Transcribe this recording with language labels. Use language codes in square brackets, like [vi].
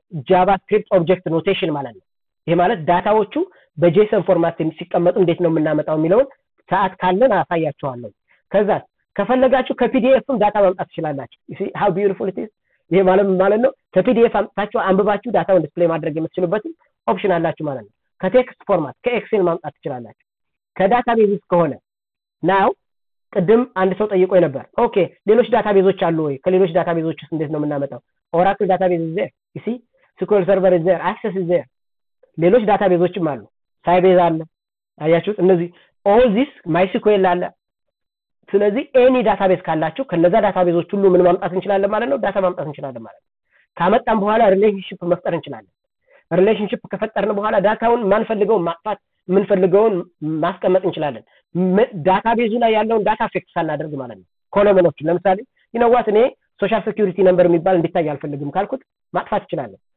[am] JavaScript Object Notation ማለት ነው። ይሄ ማለት ዳታዎቹ በJSON ፎርማት ሲቀመጡ እንዴት ነው የምናመጣው የሚለውን ሰዓት ካለን አሳያችኋለሁ። ከዛ ከፈለጋችሁ ከPDFም ዳታ ማምጣት ትችላላችሁ። [en] you see how beautiful it is [am] ይሄ ማለት ነው ከPDF አምጣችሁ አንብባችሁ ዳታውን ዲስፕሌይ ማድረግ የምትችሉበት ኦፕሽን አላችሁ ማለት ነው። ከቴክስት ፎርማት ከExcel ማምጣት ትችላላችሁ። ከዳታቤዝ ከሆነ ናው ቅድም አንድ ሰው ጠይቆ ነበር ኦኬ ሌሎች ዳታቤዞች አሉ ወይ ከሌሎች ዳታቤዞችስ እንዴት ነው የምናመጣው? [en] Oracle database is there you see SQL server is there access is there [am] ሌሎች ዳታቤዞችም አሉ Sybase አለ አያችሁት እነዚህ [en] all this MySQL አለ። [am] ስለዚህ [en] any database [am] ካላችሁ ከነዛ ዳታቤዞች ሁሉ ምን ማምጣት እንችላለን ማለት ነው? ዳታ ማምጣት እንችላለን ማለት ነው። ካመጣን በኋላ relationship መፍጠር እንችላለን። relationship ከፈጠርን በኋላ ዳታውን ማንፈልገውን ማጥፋት ምንፈልገውን ማስቀመጥ እንችላለን። ዳታቤዙ ላይ ያለውን ዳታ ፊክስ አናደርግ ማለት ነው። ኮሎመኖች ለምሳሌ [en] you know what [am] እኔ ሶሻል ሴኩሪቲ ነምበር የሚባል እንዲታይ አልፈልግም ካልኩት ማጥፋት ይችላል።